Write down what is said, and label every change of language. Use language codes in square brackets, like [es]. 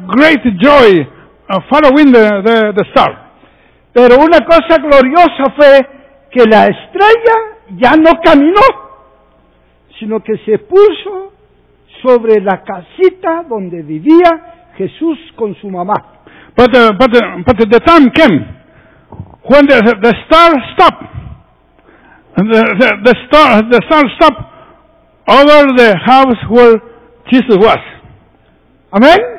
[en] And they really were have great joy following the star. [es] Pero una cosa gloriosa fue que la estrella ya no caminó, sino que se puso sobre la casita donde vivía Jesús con su mamá. [en] But the time came when the star stopped. The star stopped over the house where Jesus was. Amen.